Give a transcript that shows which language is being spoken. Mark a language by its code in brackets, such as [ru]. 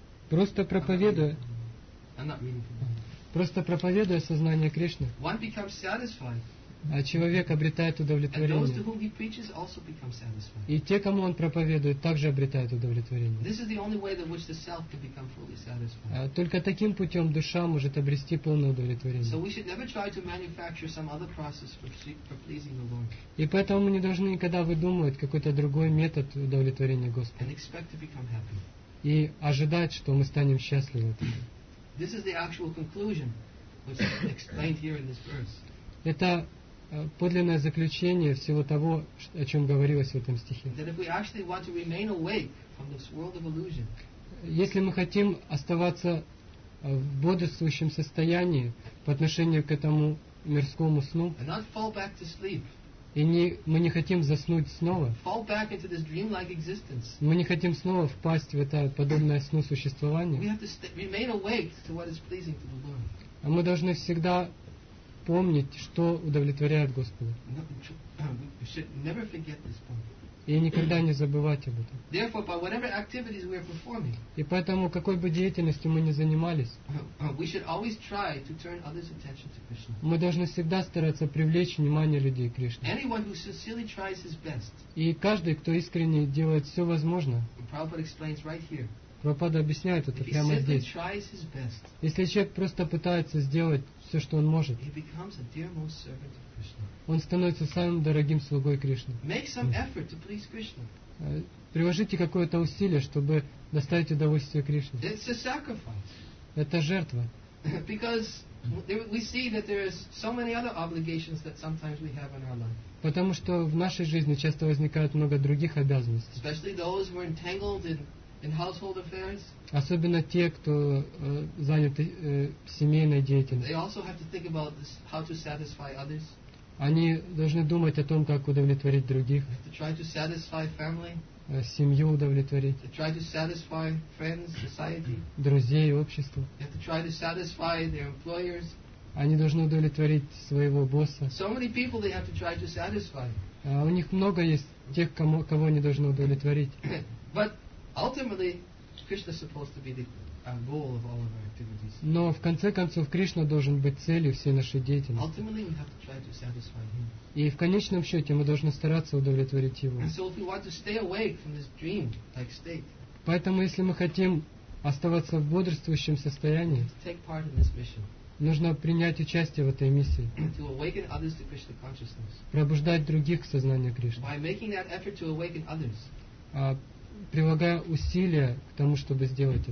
[ru] Просто проповедуя сознание Кришны. [en] One becomes satisfied. [ru] А человек обретает удовлетворение. [en] And those to whom he preaches also become satisfied. [ru] И те, кому он проповедует, также обретают удовлетворение. [en] This is the only way in which the self can become fully satisfied. [ru] Только таким путем душа может обрести полное удовлетворение. [en] So we should never try to manufacture some other process for pleasing the Lord. [ru] И поэтому мы не должны никогда выдумывать какой-то другой метод удовлетворения Господа. [en] And expect to become happy. [ru] И ожидать, что мы станем счастливы. [en] This is the actual conclusion which is explained here in this verse. [ru] Это подлинное заключение всего того, о чем говорилось в этом стихе. [en] That if we actually want to remain away from this world of illusion. [ru] Если мы хотим оставаться в бодрствующем состоянии по отношению к этому мирскому сну. [en] And not fall back to sleep. [ru] И не, мы не хотим заснуть снова. [en] Fall back into this dream-like existence. [ru] Мы не хотим снова впасть в это подобное сну существования. [en] We have to remain awake to what is pleasing to the Lord. [ru] А мы должны всегда помнить, что удовлетворяет Господа. [en] We should never forget this point. [ru] И никогда не забывать об этом. [en] Therefore, by whatever activities we are performing, [ru] и поэтому, какой бы деятельностью мы ни занимались, [en] we should always try to turn others' attention to Krishna. [ru] Мы должны всегда стараться привлечь внимание людей к Кришне. [en] Anyone who sincerely tries his best. [ru] И каждый, кто искренне делает все возможное. [en] Prabhupada explains right here. [ru] Прабхупада объясняет это прямо здесь. [en] Tries his best, [ru] если человек просто пытается сделать все, что он может, [en] he becomes a dear most servant of Krishna. [ru] Он становится самым дорогим слугой Кришны. [en] Make some effort to please Krishna. [ru] Приложите какое-то усилие, чтобы доставить удовольствие Кришне. [en] It's a sacrifice. [ru] Это жертва. [en] Because we see that there are so many other obligations that sometimes we have in our life. [ru] Потому что в нашей жизни часто возникает много других обязанностей. [en] Especially those who are entangled in household affairs. [ru] Особенно те, кто занят семейной деятельностью. [en] They also have to think about this, how to satisfy others. [ru] Они должны думать о том, как удовлетворить других. [en] To try to satisfy family. [ru] Семью удовлетворить. [en] To try to satisfy friends, society. [ru] Друзей, общество. [en] To try to satisfy their employers. [ru] Они должны удовлетворить своего босса. [en] So many people they have to try to satisfy. [ru] У них много есть тех, кого они должны удовлетворить. [en] But ultimately, Krishna is supposed to be the goal of all of our activities. [ru] Но в конце концов Кришна должен быть целью всей нашей деятельности. [en] Ultimately, we have to try to satisfy Him. [ru] И в конечном счете мы должны стараться удовлетворить Его. [en] And so, if we want to stay awake from this dream-like state, [ru] поэтому если мы хотим оставаться в бодрствующем состоянии, [en] take part in this mission. [ru] Нужно принять участие в этой миссии. [en] To awaken others to Krishna consciousness. [ru] Пробуждать других к сознанию Кришны. [en] By making that effort to awaken others. [ru] Прилагая усилия к тому, чтобы сделать это.